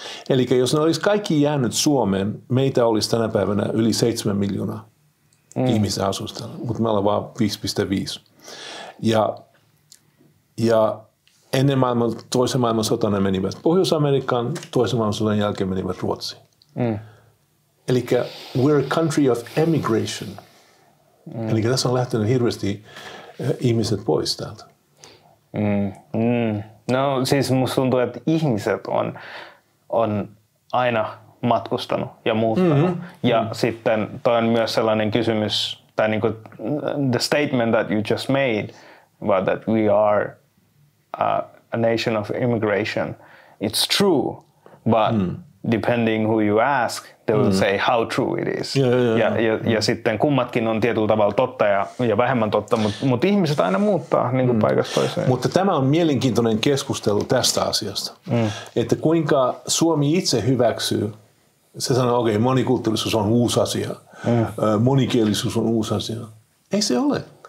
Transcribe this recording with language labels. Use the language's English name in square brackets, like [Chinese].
[Finnish] Eli jos ne olisi kaikki jäänyt Suomeen, meitä olisi tänä päivänä yli 7 miljoonaa ihmisiä asustella, mutta me ollaan vain 5,5. Ja ennen maailman, toisen maailmansotan ne menivät Pohjois-Amerikkaan, toisen maailmansodan jälkeen menivät Ruotsiin. Mm. [English] Eli we're a country of emigration. Mm. [Finnish] Eli tässä on lähtenyt hirveästi ihmiset pois täältä. Mm. Mm. No siis musta tuntuu, että ihmiset on aina matkustanut ja muuttanut. [English] Mm-hmm. [Finnish] Ja sitten toi on myös sellainen kysymys, tai niinku [English] the statement that you just made, about that we are a nation of immigration. It's true, but depending who you ask, they will say how true it is. [Finnish] Ja sitten kummatkin on tietyllä tavalla totta ja vähemmän totta, mutta ihmiset aina muuttaa niinku paikasta toiseen. Mutta tämä on mielenkiintoinen keskustelu tästä asiasta. Mm. Että kuinka Suomi itse hyväksyy, se sanoo, okei, okay, monikulttuurisuus on uusi asia, monikielisuus on uusi asia. Ei se ole.